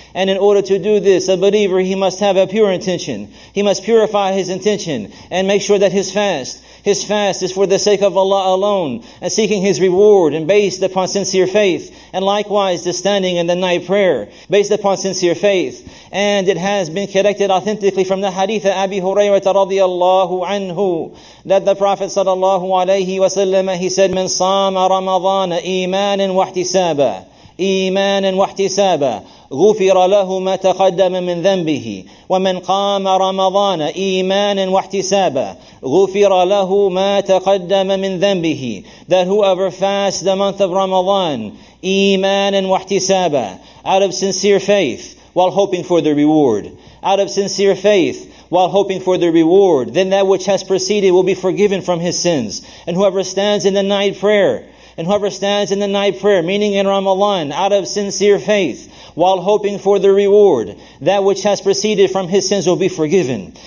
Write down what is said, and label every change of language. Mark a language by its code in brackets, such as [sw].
[en] And in order to do this, a believer, he must have a pure intention. He must purify his intention and make sure that his fast is for the sake of Allah alone, and seeking His reward, and based upon sincere faith, and likewise the standing in the night prayer, based upon sincere faith. And it has been collected authentically from the hadith of Abi Hurayrah radiallahu anhu, that the Prophet sallallahu alayhi wa sallam, he said, [ar] من صام رمضان إيمانا واحتسابا إيمانا واحتسابا غفر له ما تقدم من ذنبه ومن قام رمضان إيمانا واحتسابا غفر له ما تقدم من ذنبه. [en] That whoever fasts the month of Ramadan [ar] إيمانا واحتسابا, [en] out of sincere faith while hoping for the reward, out of sincere faith while hoping for the reward, then that which has preceded will be forgiven from his sins. And whoever stands in the night prayer, and whoever stands in the night prayer, meaning in Ramadan, out of sincere faith, while hoping for the reward, that which has proceeded from his sins will be forgiven.